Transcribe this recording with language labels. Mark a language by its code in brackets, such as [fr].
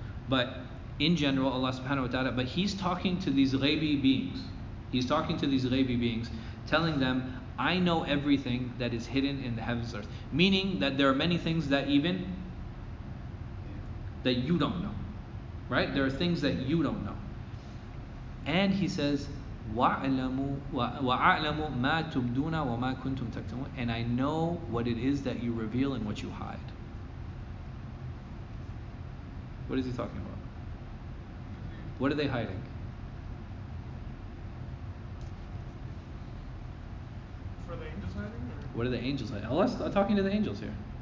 [en] But in general, Allah subhanahu wa ta'ala, but he's talking to these ghaibi beings. He's talking to these ghaibi beings, telling them, I know everything that is hidden in the heavens and earth. Meaning that there are many things that even, that you don't know. Right? There are things that you don't know. And he says, [ar] وَعَلَمُوا مَا تُبْدُونَ وَمَا كُنْتُمْ تَكْتُمُونَ. [en] And I know what it is that you reveal and what you hide. What is he talking about? What are they hiding? What are the angels hiding? What are the angels hiding? I'm talking to the angels here.